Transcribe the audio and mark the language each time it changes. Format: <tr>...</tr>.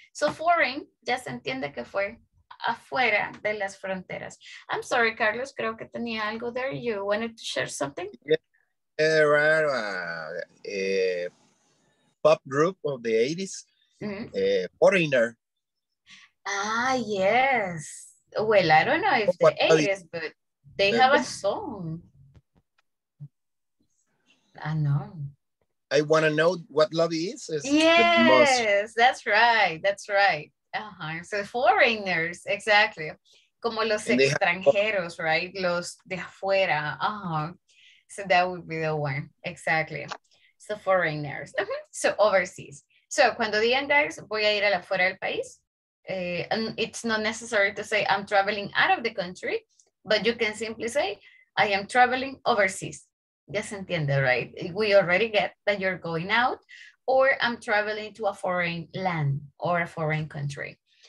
<es>So foreign, ya se entiende que fue afuera de las fronteras.</es> <en>I'm sorry, Carlos,</en> <es>creo que tenía algo</es> <en>there. You wanted to share something? Yeah, pop group of the 80s, mm-hmm. Foreigner. Ah, yes. Well, I don't know if the 80s, but they have a song. I know. I want to know what love is. It's yes, that's right. That's right. Uh-huh. So foreigners, exactly.</en> <es>Como los</es> <en>and extranjeros, have... right?</en> <es>Los de afuera.</es> <en>Uh-huh. So that would be the one. Exactly. So foreigners. Uh-huh. So overseas.</en> <es>So cuando digan, guys, voy a ir a la fuera del país.</es> <en>And it's not necessary to say I'm traveling out of the country, but you can simply say I am traveling overseas.</en> <es>Ya se entiende,</es> <en>right? We already get that you're going out or I'm traveling to a foreign land or a foreign country.</en>